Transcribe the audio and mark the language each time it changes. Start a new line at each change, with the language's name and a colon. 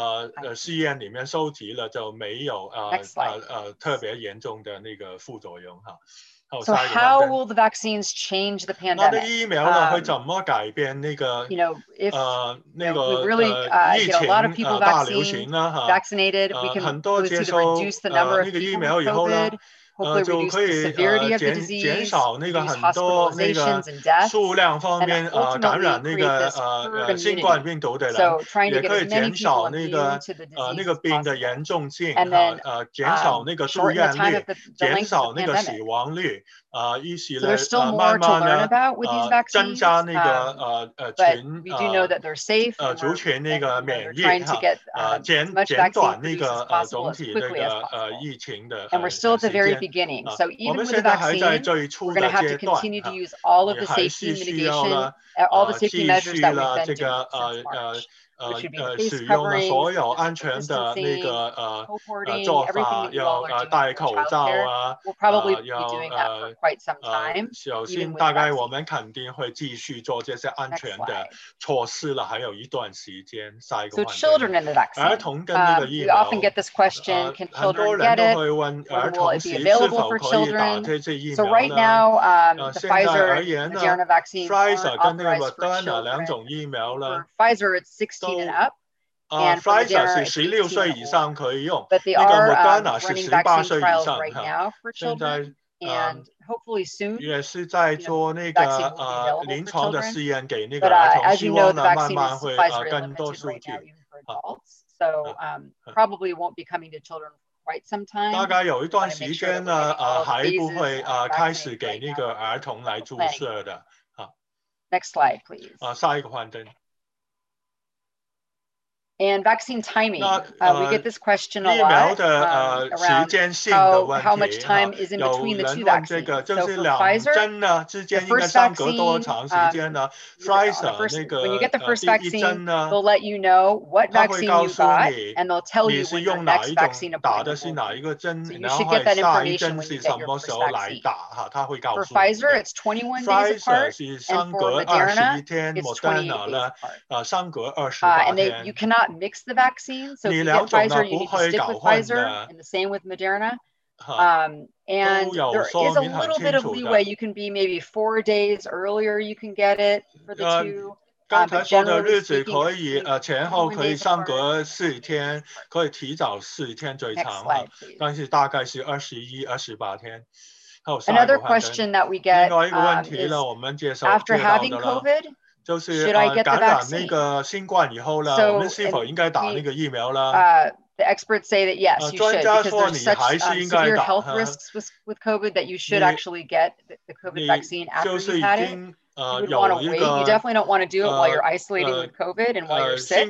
English: And typically, if you're going to have side effects from a vaccine, it would happen within that
Chinese: 收集了就没有特别严重的那个副作用哈。
English: So how will the vaccines change the pandemic?
Chinese: 那疫苗呢会怎么改变那个那个疫情大流行呢哈？
English: Vaccinated, we can reduce the number of people with COVID. Hopefully, reduce the severity of the disease,
Chinese: 减少那个很多那个数量方面感染那个新冠病毒的人，也可以减少那个那个病的严重性，减少那个住院率，减少那个死亡率。
English: So there's still more to learn about with these vaccines, but we do know that they're safe and they're trying to get as much vaccine produced as possible as quickly as possible. And we're still at the very beginning. So even with the vaccine, we're going to have to continue to use all of the safety mitigation, all the safety measures that we've been doing since March.
Chinese: 使用了所有安全的那个做法，要戴口罩啊，要小心。大概我们肯定会继续做这些安全的措施了，还有一段时间。下一个
English: ，So children and the vaccine.
Chinese: 儿童跟那个疫苗。
English: We often get this question: Can children get it? Will it be available for children? So right now, the Pfizer and Moderna vaccines aren't authorized for children. For Pfizer, it's 16.
Chinese: Pfizer 是十六岁以上可以用，那个
English: Moderna
Chinese: 是18岁以上。现在
English: hopefully soon.
Chinese: 也是在做那个 临床的试验给那个儿童，希望呢慢慢会更多数据。
English: So probably won't be coming to children quite some time.
Chinese: 大概有一段时间呢，还不会开始给那个儿童来注射的。
English: Next slide, please.
Chinese: 下一个幻灯。
English: And vaccine timing, we get this question a lot
Chinese: 疫苗的,
English: around how much time is in between the two vaccines.
Chinese: 就是两针呢, 之间应该相隔多长时间呢? Pfizer, 那个,
English: when you get the first
Chinese: 第一针呢,
English: vaccine, they'll let you know what vaccine you got, and they'll tell you when your next vaccine appointment will be. So you should get that information when you get your first vaccine.
Chinese: 来打, 哈, 他会告诉你,
English: for Pfizer, it's 21 days apart, and for Moderna, it's 28 days apart.
Chinese: 相隔28 天。
English: And they, you cannot mix the vaccine, so if you get Pfizer, you need to stick with Pfizer, and the same with Moderna. And there is a little bit of leeway. You can be maybe 4 days earlier, you can get it for the two.
Chinese: 刚才说的日子可以前后可以相隔四天，可以提早四天最长，但是大概是21、28天。
English: Another question that we get is after having COVID,
Chinese: 就是感染那个新冠以后呢，我们是否应该打那个疫苗呢？
English: The experts say that yes, you should, because there's such severe health risks with COVID that you should actually get the COVID vaccine after you've had it. You would want to wait. You definitely don't want to do it while you're isolating with COVID and while you're sick.